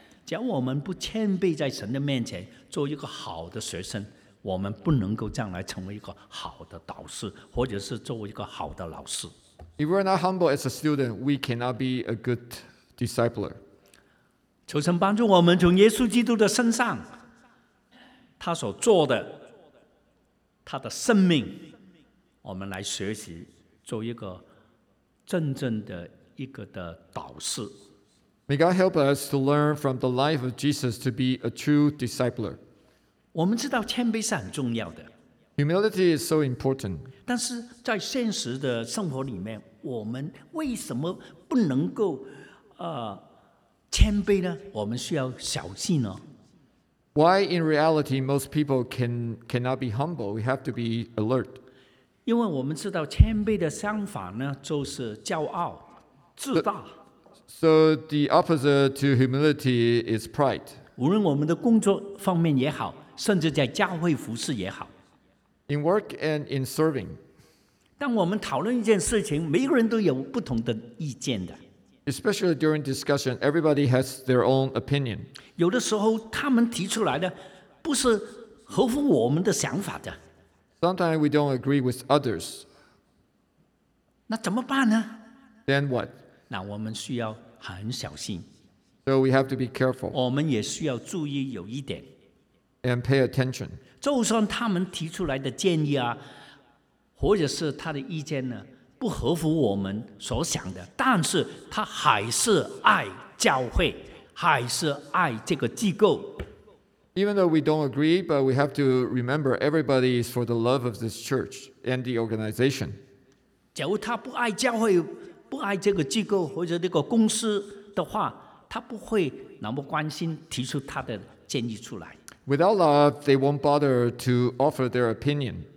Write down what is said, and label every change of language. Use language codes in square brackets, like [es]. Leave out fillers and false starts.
[zh] 只要我们不谦卑在神的面前做一个好的学生，我们不能够将来成为一个好的导师，或者是作为一个好的老师。 [en] If we're not humble as a student, we cannot be a good discipler. [zh] 求神帮助我们从耶稣基督的身上，他所做的，他的生命，我们来学习做一个真正的一个的导师。 [en] May God help us to learn from the life of Jesus to be a true discipler. [zh] 我们知道谦卑是很重要的。 [en] Humility is so important. [zh] 但是在现实的生活里面，我们为什么不能够谦卑呢？我们需要小心哦。 [en] Why in reality most people cannot be humble? We have to be alert. [zh] 因为我们知道谦卑的相反呢，就是骄傲、自大。 [en] So the opposite to humility is pride. [zh] 无论我们的工作方面也好，甚至在教会服事也好。 [en] In work and in serving. [zh] 当我们讨论一件事情，每个人都有不同的意见的。 [en] Especially during discussion, everybody has their own opinion. [zh] 有的时候他们提出来的不是合乎我们的想法的。 [en] Sometimes we don't agree with others. [zh] 那怎么办呢？ [en] Then what? [zh] 那我们需要很小心。 [en] So we have to be careful. [zh] 我们也需要注意有一点。 [en] And pay attention. [zh] 就算他们提出来的建议啊，或者是他的意见呢，不合乎我们所想的，但是他还是爱教会，还是爱这个机构。 [en] Even though we don't agree, but we have to remember everybody is for the love of this church and the organization. [zh] 假如他不爱教会，不爱这个机构或者这个公司的话，他不会那么关心提出他的建议出来。 [en] Without love, they won't bother to offer their opinion.